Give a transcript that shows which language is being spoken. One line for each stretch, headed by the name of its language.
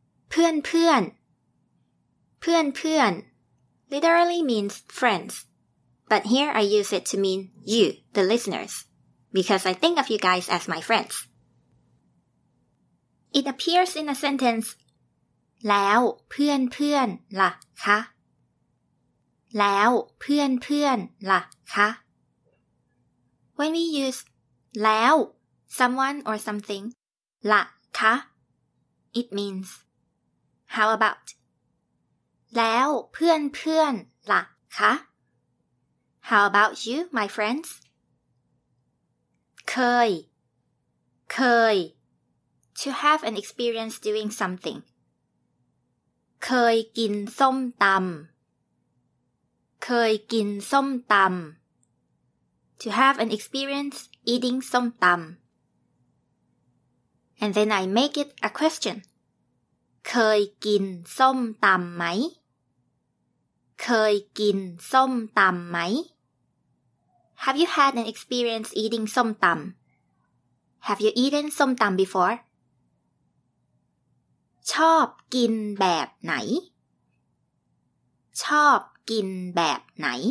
Thai: เพื่อนๆ เพื่อนๆ
English: literally means friends, but here I use it to mean you, the listeners, because I think of you guys as my friends. It appears in a sentence,
Thai: แล้วเพื่อนๆล่ะคะแล้วเพื่อนเพื่อนล่ะคะ
English: When we use แล้ว someone or something ล่ะคะ it means how about
Thai: แล้วเพื่อนเพื่อนล่ะคะ
English: how about you my friends
Thai: เคย
English: to have an experience doing something
Thai: เคยกินส้มตำเคยกินส้มตำ
English: To have an experience eating ส้มตำ And then I make it a question
Thai: เคยกินส้มตำไหมเคยกินส้มตำไหม
English: Have you had an experience eating ส้มตำ Have you eaten ส้มตำ before
Thai: ชอบกินแบบไหนชอบกินแบบไหน